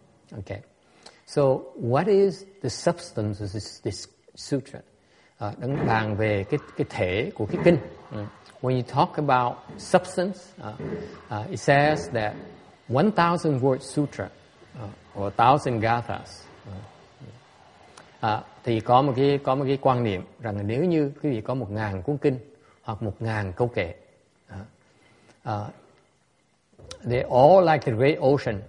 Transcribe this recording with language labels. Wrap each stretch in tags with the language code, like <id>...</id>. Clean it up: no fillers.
<en>Okay, so what is the substance of this sutra?</en> <vi>Đang bàn về cái thể của cái kinh.</vi> <en>When you talk about substance, it says that 1,000 word sutra. Or 1,000 gathas.</en> <vi>Thì có một cái quan niệm rằng nếu như quý vị có 1,000 cuốn kinh hoặc 1,000 câu kệ,</vi> <en>they all like the great ocean.</en>